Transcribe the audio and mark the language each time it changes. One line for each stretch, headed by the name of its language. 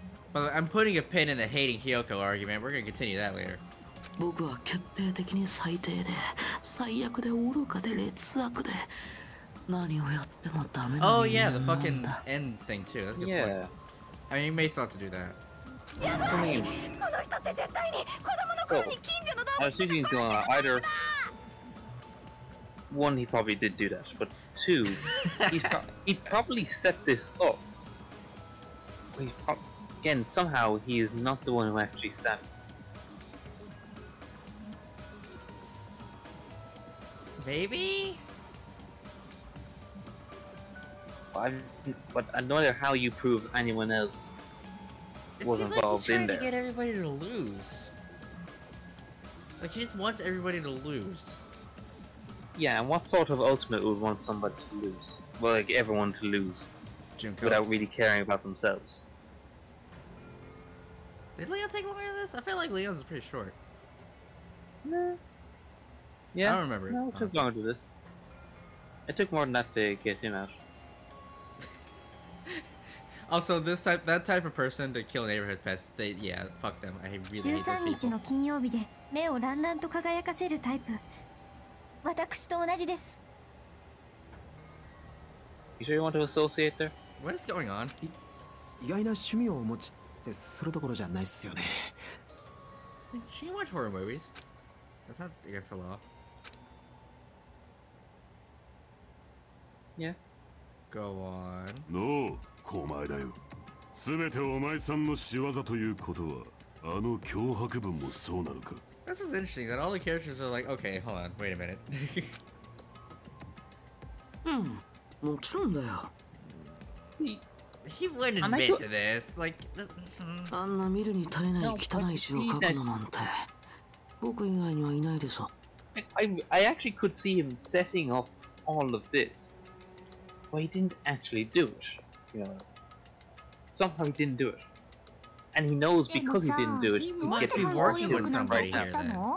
English: But I'm putting a pin in the hating Hiyoko argument. We're gonna continue that later.
Japanese: 僕は決定的に最低で最悪で愚かで劣悪で何をやってもダメな人間なんだ。
English: Oh yeah, the fucking end thing too. That's a good point. Yeah. I mean, you may still have to do that.
Japanese: やばい！この人って絶対に子供の頃に近所の動物とか殺してたんだ！
English: So, I was thinking, either one, he probably did do that, but two, he probably set this up. Again, somehow, he is not the one who actually stabbed him. Maybe? But I don't know how you prove anyone else was involved in there. It seems like he's trying to get everybody to lose. Like, he just wants everybody to lose. Yeah, and what sort of ultimate would want somebody to lose? Well, like, everyone to lose. Junko. Without really caring about themselves. Did Leo take longer than this? I feel like Leo's is pretty short. Nah. Yeah. I don't remember. No, it took longer than this. It took more than that to get him out. Also, this type, that type of person to kill neighborhood pets, they, yeah, fuck them. I really hate those people.
Japanese: 13日の金曜日で目をランランと輝かせるタイプ。私と同じです。
English: You sure you want to associate there? What is going on?
Japanese: 意外な趣味を持ちってするところじゃないっすよね。
English: She watch horror movies. That's not against the law. Yeah. Go on.
Japanese: No. お前だよ。すべてお前さんの仕業ということは、あの脅迫文もそうなのか。
English: This is interesting that all the characters are like, okay, hold on, wait a minute.
Japanese: もちろんだよ。
English: He wouldn't admit to this. Like,
Japanese: あんな見るに耐えない汚い字を書くのなんて、僕以外にはいないでしょ。
English: I actually could see him setting up all of this, but he didn't actually do it. You know, somehow he didn't do it. And he knows because he didn't do it, he's been working with somebody here then.